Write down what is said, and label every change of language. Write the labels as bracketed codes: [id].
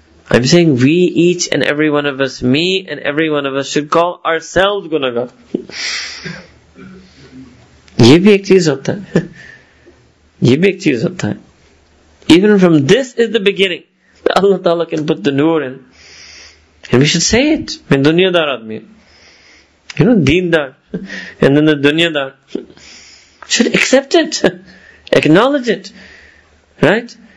[en] I'm saying we, each and every one of us, me and every one of us, should call ourselves گناہگار. [ur] یہ بھی ایک چیز ہوتا ہے, یہ بھی ایک چیز ہوتا ہے. [en] Even from this is the beginning that Allah Ta'ala can put the nur in. And we should say it. [ur] Min dunya dar admi. [en] You know, deen dar. And then the dunya dar. Should accept it. Acknowledge it. Right?